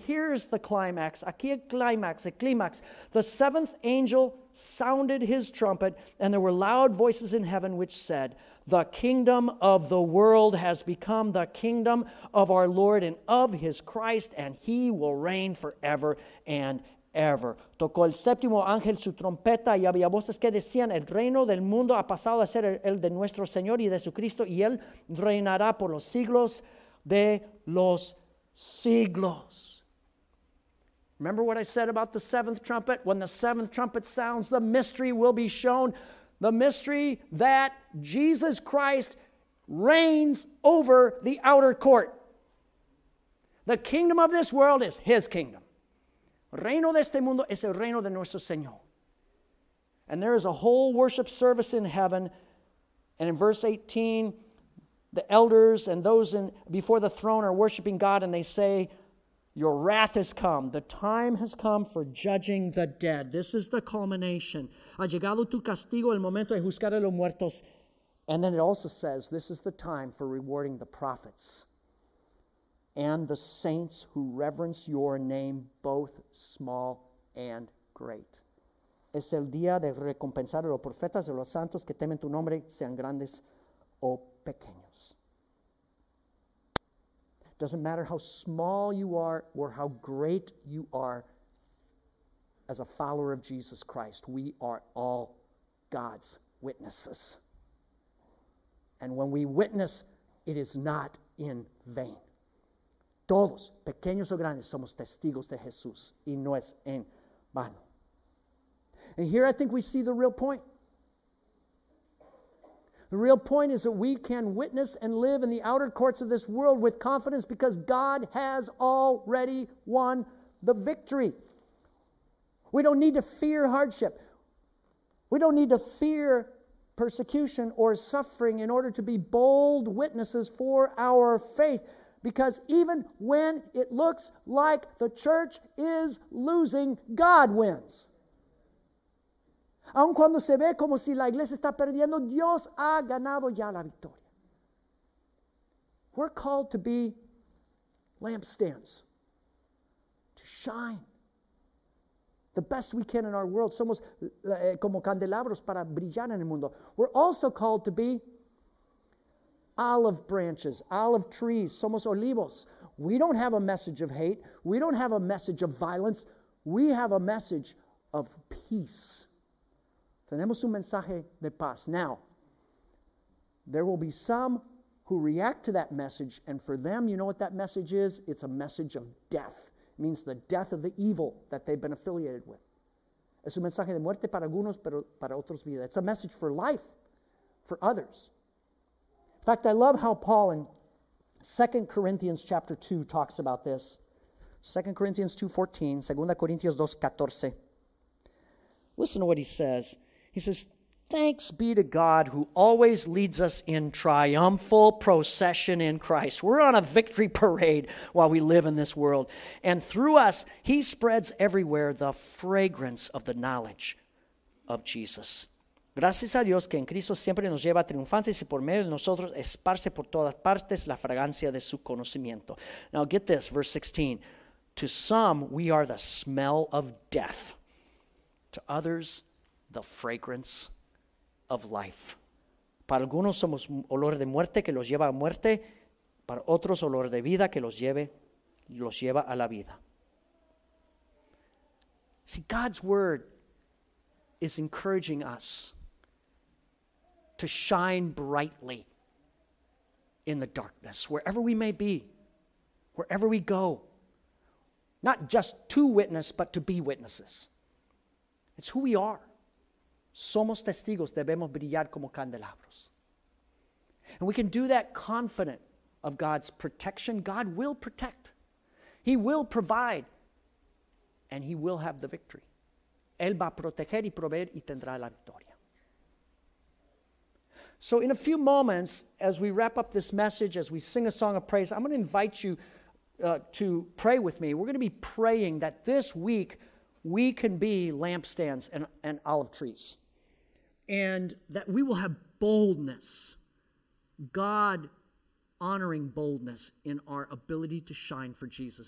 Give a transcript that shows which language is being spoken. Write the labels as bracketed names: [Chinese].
[English] Here's the climax. [Spanish] Aquí el climax, el clímax. [English] The seventh angel sounded his trumpet, and there were loud voices in heaven which said, the kingdom of the world has become the kingdom of our Lord and of his Christ, and he will reign forever and ever. [Spanish] Tocó el séptimo ángel su trompeta y había voces que decían, el reino del mundo ha pasado a ser el de nuestro Señor y de su Cristo, y él reinará por los siglos de los siglos. [English] Remember what I said about the seventh trumpet? When the seventh trumpet sounds, the mystery will be shown. The mystery that Jesus Christ reigns over the outer court. The kingdom of this world is his kingdom. [Spanish] Reino de este mundo es el reino de nuestro Señor. [English] And there is a whole worship service in heaven. And in verse 18, the elders and those in before the throne are worshiping God, and they say, your wrath has come. The time has come for judging the dead. This is the culmination. [Spanish] Ha llegado tu castigo, el momento de juzgar a los muertos. [English] And then it also says, this is the time for rewarding the prophets and the saints who reverence your name, both small and great. [Spanish] Es el día de recompensar a los profetas y los santos que temen tu nombre, sean grandes o pequeños. [English] Doesn't matter how small you are or how great you are as a follower of Jesus Christ. We are all God's witnesses. And when we witness, it is not in vain. [Spanish] Todos, pequeños o grandes, somos testigos de Jesús y no es en vano. [English] And here I think we see the real point. The real point is that we can witness and live in the outer courts of this world with confidence because God has already won the victory. We don't need to fear hardship. We don't need to fear persecution or suffering in order to be bold witnesses for our faith. Because even when it looks like the church is losing, God wins. [Spanish] Aun cuando se ve como si la iglesia está perdiendo, Dios ha ganado ya la victoria. [English] We're called to be lampstands, to shine the best we can in our world. [Spanish] Somos como candelabros para brillar en el mundo. [English] We're also called to be olive branches, olive trees. [Spanish] Somos olivos. [English] We don't have a message of hate. We don't have a message of violence. We have a message of peace. [Spanish] Tenemos un mensaje de paz. [English] Now, there will be some who react to that message, and for them, you know what that message is? It's a message of death. It means the death of the evil that they've been affiliated with. [Spanish] Es un mensaje de muerte para algunos, pero para otros vida. [English] It's a message for life, for others. In fact, I love how Paul in 2 Corinthians chapter 2 talks about this. 2 Corinthians 2:14, 2 Corinthians 2:14. Listen to what he says. He says, thanks be to God who always leads us in triumphal procession in Christ. We're on a victory parade while we live in this world. And through us, he spreads everywhere the fragrance of the knowledge of Jesus. [Spanish] Gracias a Dios que en Cristo siempre nos lleva triunfantes y por medio de nosotros esparce por todas partes la fragancia de su conocimiento. [English] Now get this, verse 16. To some, we are the smell of death. To others, the fragrance of life. [Spanish] Para algunos somos olor de muerte que los lleva a muerte. Para otros olor de vida que los lleva a la vida. [English] See, God's word is encouraging us to shine brightly in the darkness, wherever we may be, wherever we go. Not just to witness, but to be witnesses. It's who we are. [Spanish] Somos testigos, debemos brillar como candelabros. [English] And we can do that confident of God's protection. God will protect. He will provide. And he will have the victory. [Spanish] Él va a proteger y proveer y tendrá la victoria. [English] So in a few moments, as we wrap up this message, as we sing a song of praise, I'm going to invite you to pray with me. We're going to be praying that this week we can be lampstands and olive trees. And that we will have boldness, God honoring boldness in our ability to shine for Jesus.